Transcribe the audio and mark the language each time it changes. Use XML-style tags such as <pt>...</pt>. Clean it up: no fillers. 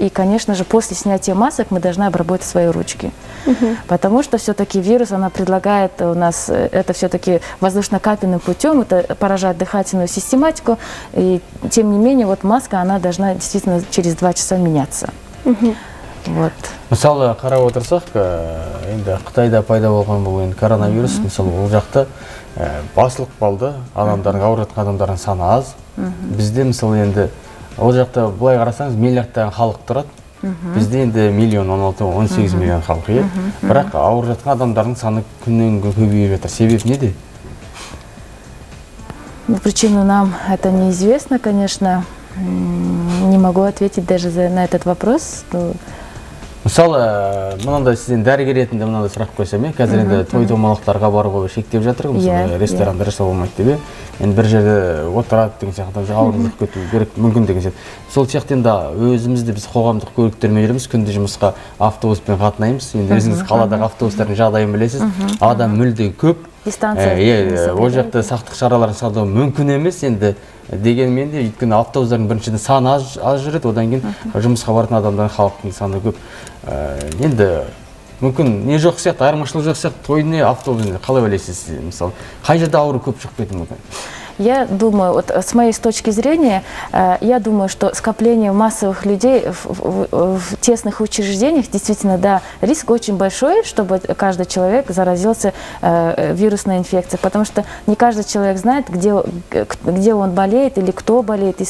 <ru>И, конечно же, после снятия масок мы должны обработать свои ручки. Потому что все-таки вирус, она предлагает у нас, это все-таки воздушно-капельным путем, это поражает дыхательную систематику. И, тем не менее, вот маска, она должна действительно через 2 часа меняться. Вот.</ru> <kk>Мысалы, қарап отырсақ, енді Қытайда пайда болған бұл енді коронавирус, мысалы, ол жақты басылық болды, адамдарын, ауыратқан адамдарын саны аз. Бізде, мысалы, енді ол жақты былай қарасаңыз, миллиардтан халық тұрады. Бізде енді миллион, 16-18 миллион халық еді. Бірақ ауыр жатқан адамдардың саны күннен күнге көбейіп жатыр. Себеп неде?</kk> <ru>Причину нам это неизвестно, конечно. Не могу ответить даже на этот вопрос.</ru> <kk>Мысалы, мынандай сізден дәрігер ретінде мынандай сұрақ қойсам, қазір енді той-домалақтарға баруға шектеп жатыр, мысалы, ресторандар жасай алмайды деп. Енді бір жерде отырады деген сияқты, ауырып кету керек мүмкін деген сияқты. Сол сияқты енді өзімізді біз қоғамдық көліктермен жүреміз, күнде жұмысқа автобуспен қатынаймыз. Енді өзіңіз қаладағы автобустардың жағдайын білесіз. Адам мүлде көп. Ол жақта сақтық шараларын сақтау мүмкін емес, енді дегенмен де, өйткені автобустардың біріншіден саны аз жүреді, одан кейін жұмысқа баратын адамдардың халықтың саны көп. Енді мүмкін не жоқ сияқты, айырмашылық жоқ сияқты, той не автобус не, қалай ойлайсыз сіз, мысалы, қай жерде ауру көп шығып кетуі мүмкін?</kk> <ru>Я думаю, вот с моей точки зрения, я думаю, что скопление массовых людей в тесных учреждениях, действительно, да, риск очень большой, чтобы каждый человек заразился вирусной инфекцией, потому что не каждый человек знает, где он болеет или кто болеет.</ru>